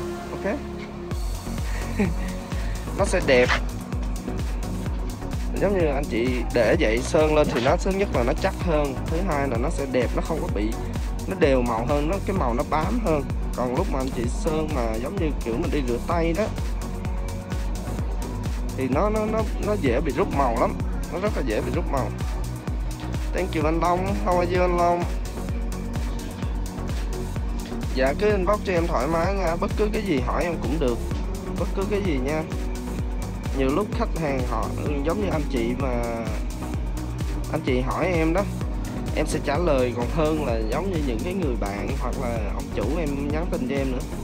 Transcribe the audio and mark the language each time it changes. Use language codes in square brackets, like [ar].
[vi] Ok nó sẽ đẹp, giống như anh chị để vậy sơn lên thì nó thứ nhất là nó chắc hơn, thứ hai là nó sẽ đẹp, nó không có bị, nó đều màu hơn, nó cái màu nó bám hơn. Còn lúc mà anh chị sơn mà giống như kiểu mình đi rửa tay đó thì nó dễ bị rút màu lắm, nó rất là dễ bị rút màu. [en] Thank you anh Long, how are you anh Long? [vi] Dạ cứ inbox cho em thoải mái nha, bất cứ cái gì hỏi em cũng được, bất cứ cái gì nha. Nhiều lúc khách hàng họ giống như anh chị, mà anh chị hỏi em đó, em sẽ trả lời còn hơn là giống như những cái người bạn hoặc là ông chủ em nhắn tin cho em nữa.